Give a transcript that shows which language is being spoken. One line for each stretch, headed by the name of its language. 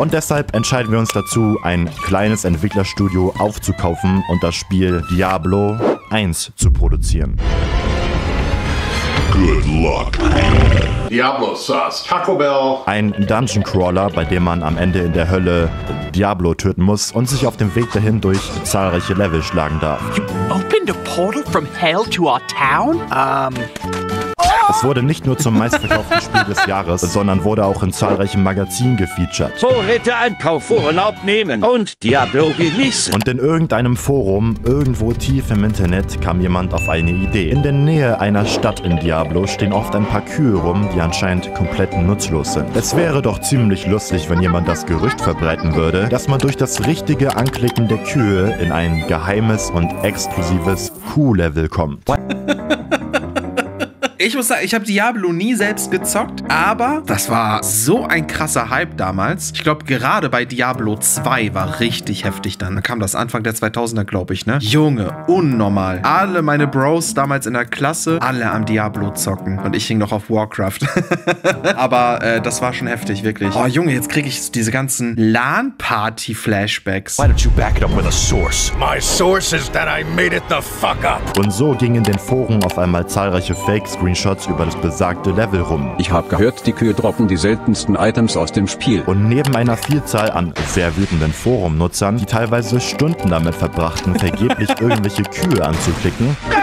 German: Und deshalb entscheiden wir uns dazu, ein kleines Entwicklerstudio aufzukaufen und das Spiel Diablo 1 zu produzieren.
English: Good luck. Diablo Sauce, Taco Bell.
German: Ein Dungeon Crawler, bei dem man am Ende in der Hölle Diablo töten muss und sich auf dem Weg dahin durch zahlreiche Level schlagen darf.
English: You opened a portal from hell to our town?
German: Es wurde nicht nur zum meistverkauften Spiel des Jahres, sondern wurde auch in zahlreichen Magazinen gefeatured. Vorräte einkaufen, Urlaub nehmen und Diablo genießen. Und in irgendeinem Forum, irgendwo tief im Internet, kam jemand auf eine Idee. In der Nähe einer Stadt in Diablo stehen oft ein paar Kühe rum, die anscheinend komplett nutzlos sind. Es wäre doch ziemlich lustig, wenn jemand das Gerücht verbreiten würde, dass man durch das richtige Anklicken der Kühe in ein geheimes und exklusives Kuh-Level kommt. Ich muss sagen, ich habe Diablo nie selbst gezockt, aber das war so ein krasser Hype damals. Ich glaube, gerade bei Diablo 2 war richtig heftig dann. Da kam das Anfang der 2000er, glaube ich, ne? Junge, unnormal. Alle meine Bros damals in der Klasse, alle am Diablo zocken. Und ich hing noch auf Warcraft. Aber das war schon heftig, wirklich. Oh, Junge, jetzt kriege ich diese ganzen LAN-Party-Flashbacks.
English: Why don't you back it up with a source? My source is that I made it the fuck up.
German: Und so gingen in den Foren auf einmal zahlreiche Fakes Screenshots über das besagte Level rum. Ich habe gehört, die Kühe droppen die seltensten Items aus dem Spiel. Und neben einer Vielzahl an sehr wütenden Forum-Nutzern, die teilweise Stunden damit verbrachten, vergeblich irgendwelche Kühe anzuklicken,